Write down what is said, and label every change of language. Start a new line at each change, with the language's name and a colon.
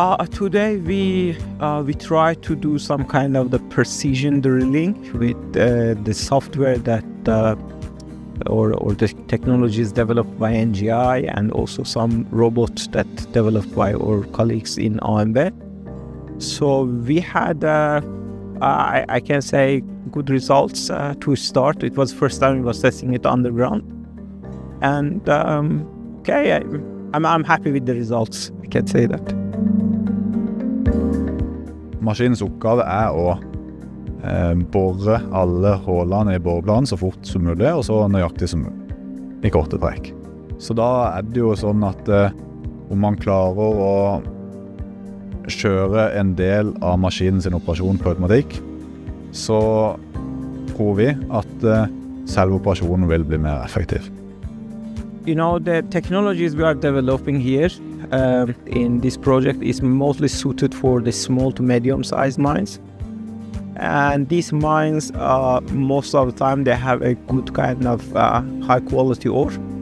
English: Today we try to do some kind of the precision drilling with the software that or the technologies developed by NGI and also some robots that developed by our colleagues in OMB. So we had I can say good results to start. It was first time we were testing it on the ground, and I'm happy with the results. I can say that.
Norwegian: Maskinens oppgave å bore alle hullene i boreplanen så fort som mulig og så nøyaktig som mulig, i korte trekk. Så da det jo sånn at om man klarer å kjøre en del av maskinens operasjon på automatikk, så tror vi at selve operasjonen vil bli mer effektiv.
English: you know, the technologies we are developing here in this project is mostly suited for the small to medium sized mines. And these mines, most of the time, they have a good kind of high quality ore.